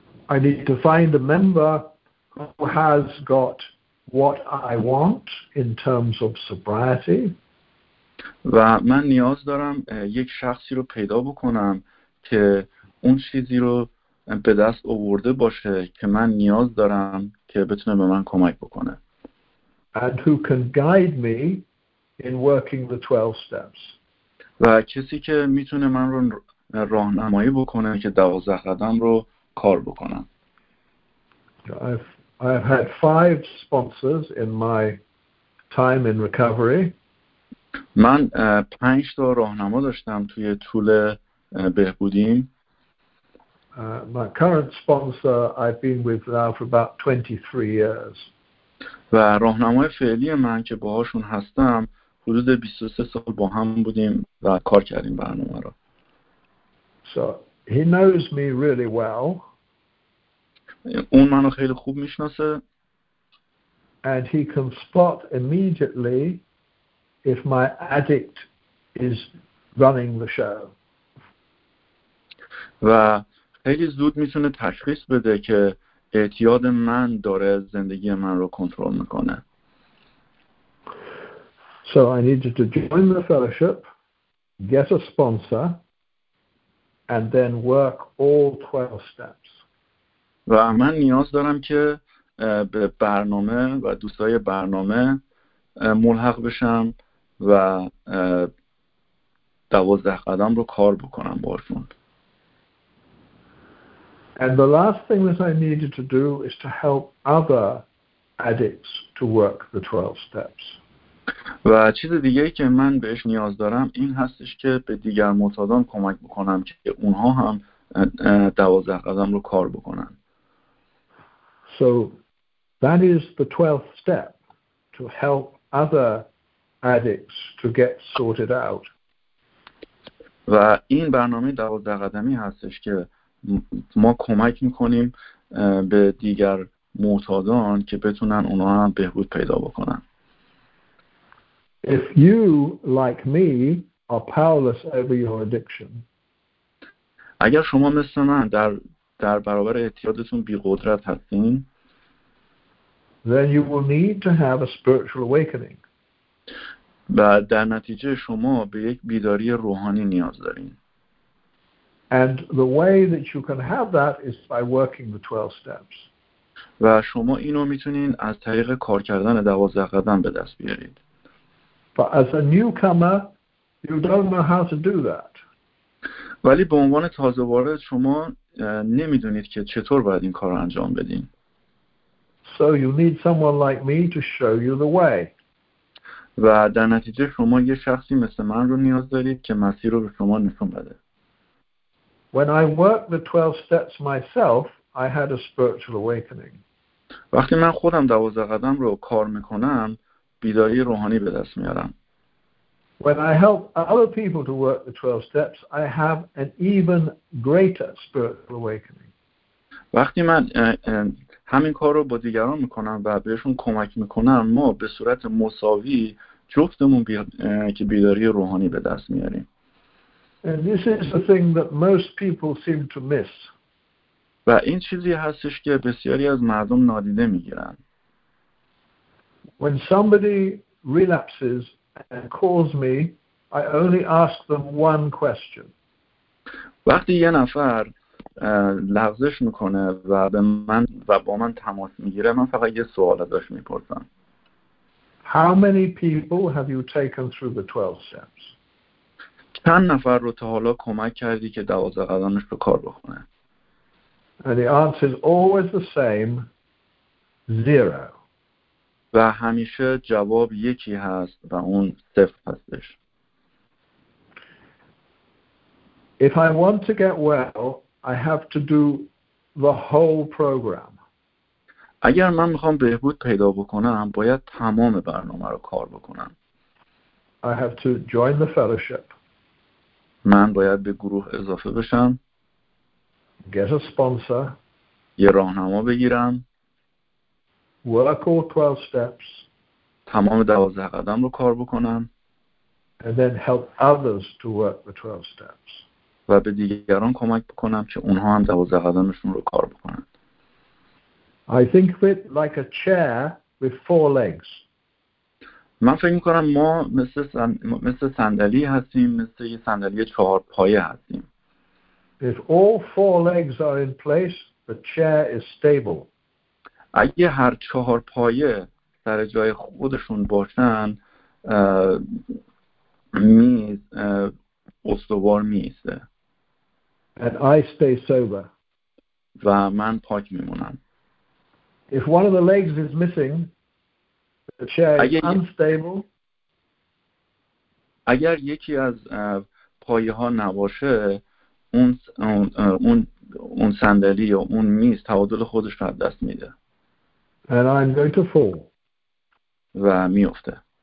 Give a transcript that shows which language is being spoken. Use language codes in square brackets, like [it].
[en] I need to find a member who has got what I want in terms of sobriety. [fa] و من نیاز دارم یک شخصی رو پیدا بکنم که اون چیزی رو به دست آورده باشه که من نیاز دارم که بتونه به من کمک بکنه. [en] And who can guide me in working the 12 steps. [fa] و کسی که میتونه من رو راهنمایی بکنه که 12 قدم رو کار بکنم. [en] I've had 5 sponsors in my time in recovery. [fa] من 5 تا راهنما داشتم توی طول بهبودیم. [en] My current sponsor I've been with now for about 23 years. [fa] و راهنمای فعلی من که باهاشون هستم حدود 23 سال با هم بودیم و کار کردیم برنامه را. [en] So he knows me really well. [fa] اون منو خیلی خوب میشناسه. [en] And he can spot immediately if my addict is running the show. [fa] و خیلی زود میتونه تشخیص بده که اعتیاد من داره زندگی من رو کنترل میکنه. [en] So I needed to join the fellowship, get a sponsor, and then work all 12 steps. [fa] و من نیاز دارم که به برنامه و دوستای برنامه ملحق بشم و 12 قدم رو کار بکنم باشون. [en] And the last thing that I needed to do is to help other addicts to work the 12 steps. [fa] و چیز دیگه که من بهش نیاز دارم این هستش که به دیگر معتادان کمک بکنم که اونها هم 12 قدم رو کار بکنن. [en] So that is the 12th step to help other addicts to get sorted out. [fa] و این برنامه 12 قدمی هستش که ما کمک میکنیم به دیگر معتادان که بتونن اونها هم بهبود پیدا بکنن. [en] If you, like me, are powerless over your addiction, [fa] اگر شما مثل من در برابر اعتیادتون بی‌قدرت هستین, [en] then you will need to have a spiritual awakening. [fa] و در نتیجه شما به یک بیداری روحانی نیاز دارین. [en] And the way that you can have that is by working the 12 steps. [fa] و شما اینو میتونین از طریق کار کردن 12 قدم به دست بیارید. [en] But as a newcomer, you don't know how to do that. [fa] ولی به عنوان تازه وارد شما نمیدونید که چطور باید این کارو انجام بدین. [en] So you need someone like me to show you the way. [fa] و در نتیجه شما یه شخصی مثل من رو نیاز دارید که مسیر رو به شما نشون بده. [en] When I worked the 12 steps myself, I had a spiritual awakening. [fa] وقتی من خودم 12 قدم رو کار میکنم بیداری روحانی به دست میارم. [en] When I help other people to work the 12 steps, I have an even greater spiritual awakening. [fa] وقتی من همین کار رو با دیگران میکنم و بهشون کمک میکنم، ما به صورت مساوی جفتمون که بیداری روحانی به دست میاریم. [en] And this is the thing that most people seem to miss. [fa] و این چیزی هستش که بسیاری از مردم نادیده میگیرن. [en] When somebody relapses and calls me, I only ask them one question. [fa] وقتی یه نفر لغزش میکنه و به من و با من تماس میگیره، من فقط یه سوال ازش میپرسم. [en] How many people have you taken through the 12 steps? [fa] چند نفر رو تا حالا کمک کردی که 12 قدمش رو کار بکنه؟ [en] And the answer is always the same, zero. [fa] و همیشه جواب یکی هست و اون صفر هستش. [en] If I want to get well, I have to do the whole program. [fa] اگر من میخوام بهبود پیدا بکنم، باید تمام برنامه رو کار بکنم. [en] I have to join the fellowship. [fa] من باید به گروه اضافه بشم. [en] Get a sponsor. [fa] یه راهنما بگیرم. [en] Work all 12 steps. [fa] تمام 12 قدم رو کار بکنم. [en] And then help others to work the 12 steps. [fa] و به دیگران کمک بکنم که اونها هم 12 قدمشون رو کار بکنن. [en] I think of it like a chair with four legs. [fa] من فکر میکنم ما مثل صندلی هستیم، مثل یه صندلی چهار پایه هستیم. [en] If all four legs are in place, the chair is stable. [fa] اگه هر چهار پایه در جای خودشون باشن، میز استوار میسته. [en] And I stay sober. [fa] و من پاک میمونم. [en] If one of the legs is missing, the chair is unstable. [fa] اگر یکی از پایه ها نباشه، اون صندلی یا اون میز تعادل خودش رو از دست میده. [en] And I'm going to fall. [fa] و میفته.